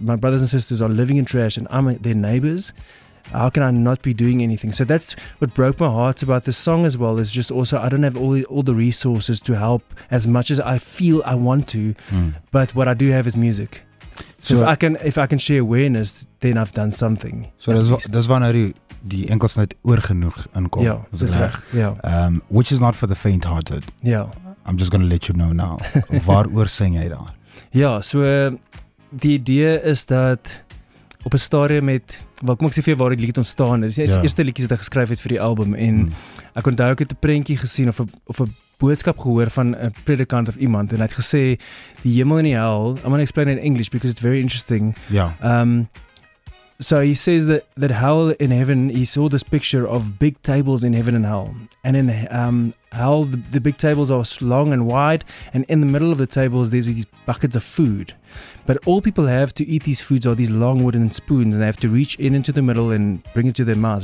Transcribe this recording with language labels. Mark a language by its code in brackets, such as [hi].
[en] My brothers and sisters are living in trash and I'm their neighbors. How can I not be doing anything? So that's what broke my heart about this song as well. Is just also, I don't have all the resources to help as much as I feel I want to, but what I do have is music. So if I can share awareness, then I've done something. [af] So dis wanneer die enkels net oor genoeg inkom. Ja, dis reg. Ja. [en] Which is not for the faint hearted. Yeah. I'm just going to let you know now. [af] Waaroor sing jy daar? Ja, so die idee is dat op 'n stadium met, wel kom ek sê vir jou waar die liedjie ontstaan het. Dis die eerste liedjies wat ek geskryf het vir die album en ek onthou ek het 'n prentjie gesien of 'n boodskap gehoor van 'n predikant of iemand en hy het gesê die hemel en die hel, [en] I'm going to explain it in English because it's very interesting. So he says that hell in heaven, he saw this picture of big tables in heaven and hell. And in hell, the big tables are long and wide. And in the middle of the tables, there's these buckets of food. But all people have to eat these foods are these long wooden spoons. And they have to reach in into the middle and bring it to their mouths.